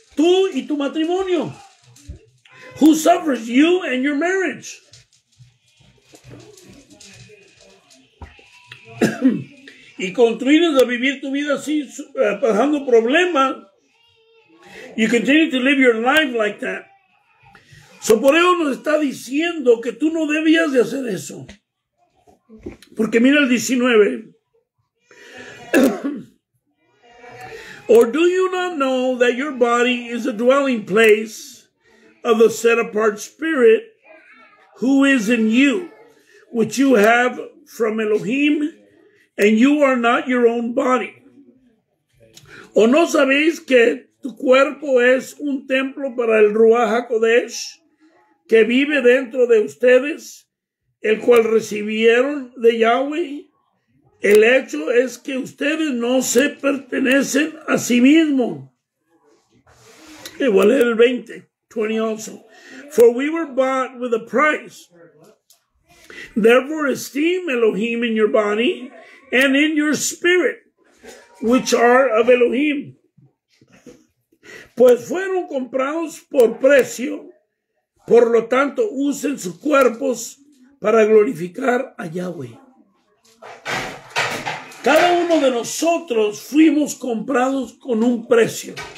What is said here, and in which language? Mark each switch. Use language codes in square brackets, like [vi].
[es] Tú y tu matrimonio. [en] Who suffers? You and your marriage. [es] Y continúas a vivir tu vida así, pasando problemas. [en] You continue to live your life like that. [es] So por eso nos está diciendo que tú no debías de hacer eso. Porque mira el 19. [en] Or do you not know that your body is a dwelling place of the set apart spirit who is in you, which you have from Elohim, And you are not your own body. [es] ¿O no sabéis que tu cuerpo es un templo para el Ruach HaKodesh que vive dentro de ustedes, el cual recibieron de Yahweh? El hecho es que ustedes no se pertenecen a sí mismos. Igual es el 20, [en] 20 also. For we were bought with a price. Therefore esteem Elohim in your body and in your spirit, which are of Elohim. [es] Pues fueron comprados por precio, por lo tanto usen sus cuerpos para glorificar a Yahweh. Cada uno de nosotros fuimos comprados con un precio.